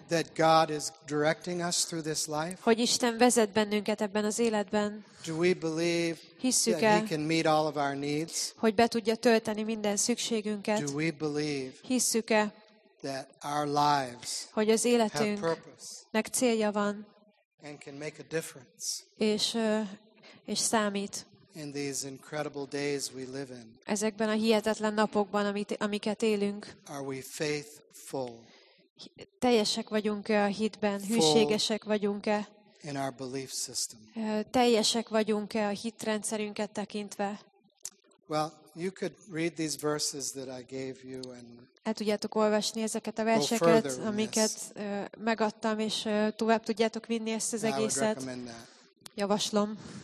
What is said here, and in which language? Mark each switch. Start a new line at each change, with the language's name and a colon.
English: That God is directing us through this life?
Hungarian: Hogy Isten vezet bennünket ebben az életben?
English: Do we believe?
Hungarian: Hisszük-e?
English: That he can meet all of our needs?
Hungarian: Hogy be tudja tölteni minden szükségünket?
English: Do we believe?
Hungarian: Hisszük-e?
English: That our lives.
Hungarian: Hogy az életünk.
English: Have purpose.
Hungarian: Meg célja van.
English: And can make a difference.
Hungarian: És számít.
English: In these incredible days we live in.
Hungarian: Ezekben a hihetetlen napokban, amiket élünk.
English: Are we faithful?
Hungarian: Teljesek vagyunk-e a hitben? Hűségesek vagyunk-e?
English: In our belief system.
Hungarian: Teljesek vagyunk-e a hitrendszerünket tekintve?
English: Well, you could read these verses that I gave you and
Hungarian: el tudjátok olvasni ezeket a verseket, amiket megadtam, és tovább tudjátok vinni ezt az egészet. Javaslom.